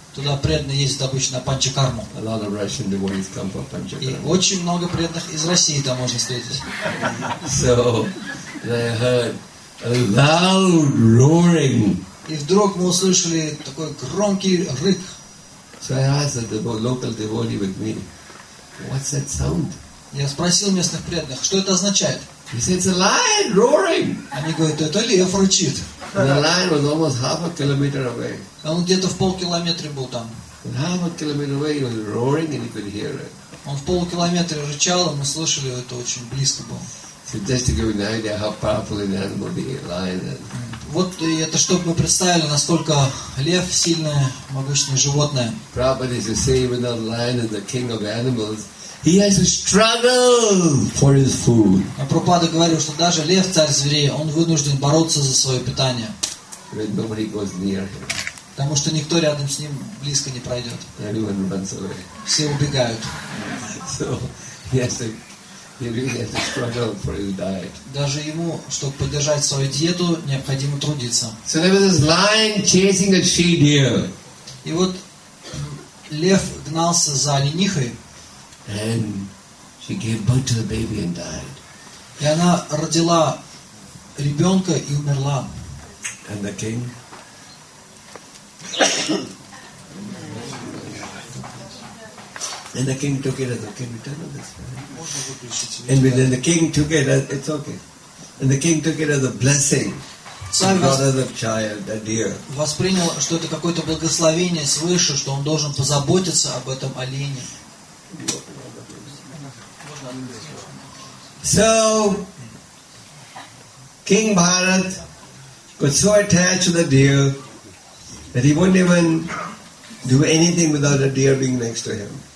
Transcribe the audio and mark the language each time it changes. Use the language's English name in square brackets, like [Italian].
[Russian] Туда преданные ездят обычно на Панчакарму. [English] A lot of Russian devotees come for Panchakarma. [Russian] И очень много преданных из России там можно встретить. [English] So they heard a loud roaring. [Russian] И вдруг мы услышали такой громкий рык. [English] So I asked the local devotee with me, "What's that sound?" [Russian] Я спросил местных преданных, что это означает. [English] He said, "It's a lion roaring." [Russian] Они говорят, это лев рычит. [English] And the lion was almost half a kilometer away. [Russian] Он где-то в полкилометре был там. [English] And half a kilometer away, he was roaring, and he could hear it. [Russian] Он в полкилометре рычал, и мы слышали это очень близко было. [English] So just to give you an idea how powerful an animal the lion is. [Russian] Вот это чтобы мы представили, насколько лев сильное, могучее животное. [English] Prabhupada used to say, even though the lion is the king of animals, he has to struggle for his food. [Russian] А Прабхупада говорил, что даже лев, царь зверей, он вынужден бороться за свое питание. [English] When nobody goes near him. [Russian] Потому что никто рядом с ним близко не пройдет. [English] Everyone runs away. [Russian] Все убегают. [English] So, yes, he really has to struggle for his diet. [Russian] Даже ему, чтобы поддержать свою диету, необходимо трудиться. [English] So there was this lion chasing a she-deer. [Russian] И вот лев гнался за ленихой. [English] And she gave birth to the baby and died. [Russian] И она родила ребенка и умерла. [English] And the king. And the king took it as a king. Turn on this. And then the king took it as it's okay. And the king took it as a blessing. [Russian] Воспринял, что это какое-то благословение свыше, что он должен позаботиться об этом олене. [English] So King Bharat got so attached to the deer that he wouldn't even do anything without a deer being next to him.